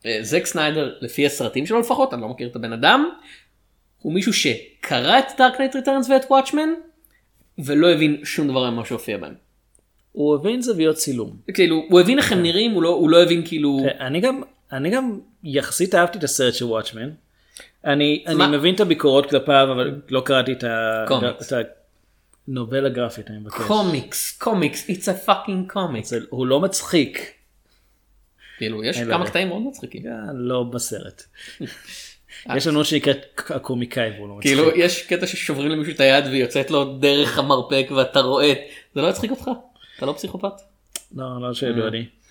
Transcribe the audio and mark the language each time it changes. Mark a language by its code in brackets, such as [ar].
[he] זק סניידר, לפי הסרטים שלו לפחות, אני לא מכיר את הבן אדם, הוא מישהו שקרא את דארק נייט ריטרנס ואת וואטשמן, ולא הבין שום דבר ממה שהופיע בהם. הוא הבין זוויות צילום. כאילו, הוא הבין איך הם נראים, הוא לא הבין כאילו... אני גם יחסית אהבתי את הסרט של וואטשמן. אני מבין את הביקורות כלפיו, אבל לא קראתי את הקומיקס. נובלה גרפית, אני מבקש. [en] קומיקס, it's a fucking comics. [he] הוא לא מצחיק. כאילו, יש כמה קטעים מאוד מצחיקים. לא בסרט. יש לנו שנקראת הקומיקאי, והוא לא מצחיק. כאילו, יש קטע ששוברים למישהו את היד, ויוצאת לו דרך המרפק, ואתה רואה. זה לא מצחיק אותך? אתה לא פסיכופת? לא שאלו אני.